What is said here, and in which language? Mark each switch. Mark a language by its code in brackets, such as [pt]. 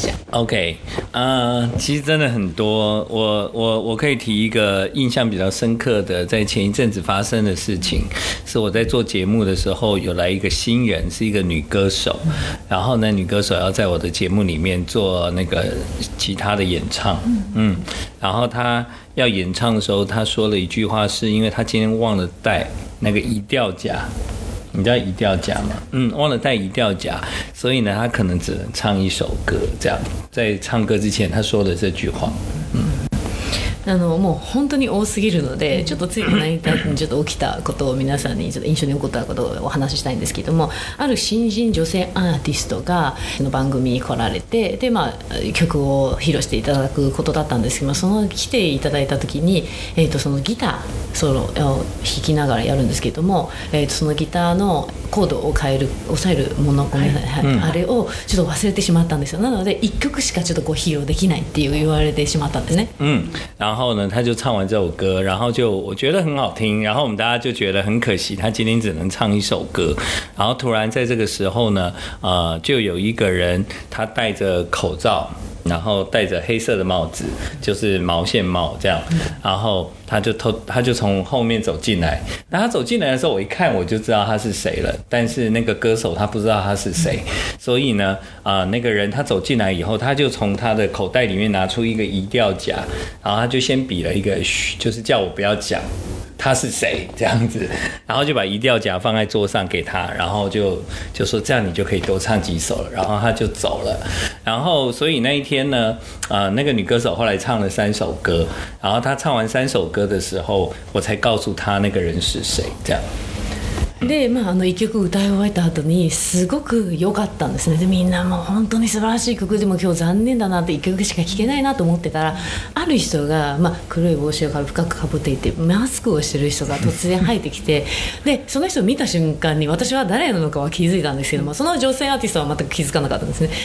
[zh] OK， 其实真的很多，我可以提一个印象比较深刻的，在前一阵子发生的事情，是我在做节目的时候有来一个新人，是一个女歌手，然后呢，女歌手要在我的节目里面做那个吉他的演唱，嗯，然后她要演唱的时候，她说了一句话，是因为她今天忘了带那个移调夹。你知道移调夹吗？嗯，忘了带移调夹，所以呢，他可能只能唱一首歌。这样，在唱歌之前，他说了这句话。嗯， [ja] あのもう本当に多すぎるので、ちょっとついこの間にちょっと起きたことを皆さんにちょっと印象に残ったことをお話ししたいんですけども、ある新人女性アーティストがその番組に来られて、で、まあ、曲を披露していただくことだったんですけども、その来ていただいた時に、そのギターソロを弾きながらやるんですけども、そのギターのコードを変える抑えるもの、ごめんなさい、はい、あれをちょっと忘れてしまったんですよ。なので1曲しかちょっとこう披露できないっていう言われてしまったんですね。 [zh] うん、然后呢，他就唱完这首歌，然后就我觉得很好听，然后我们大家就觉得很可惜，他今天只能唱一首歌。然后突然在这个时候呢，就有一个人，他戴着口罩，然后戴着黑色的帽子，就是毛线帽这样。然后他就从后面走进来。那他走进来的时候，我一看我就知道他是谁了，但是那个歌手他不知道他是谁，所以呢，那个人他走进来以后，他就从他的口袋里面拿出一个移调夹，然后他就先比了一个嘘，就是叫我不要讲他是谁这样子，然后就把移调夹放在桌上给他，然后就说这样你就可以多唱几首了，然后他就走了。然后所以那一天呢，那个女歌手后来唱了三首歌，然后她唱完三首歌的时候，我才告诉她那个人是谁这样。 [ja] で、まあ、あの1曲歌い終えた後にすごく良かったんですね。でみんなもう本当に素晴らしい曲でも今日残念だなって1曲しか聴けないなと思ってたら、ある人が、まあ、黒い帽子を深くかぶっていてマスクをしてる人が突然入ってきてでその人を見た瞬間に私は誰なのかは気づいたんですけども、その女性アーティストは全く気づかなかったんですね。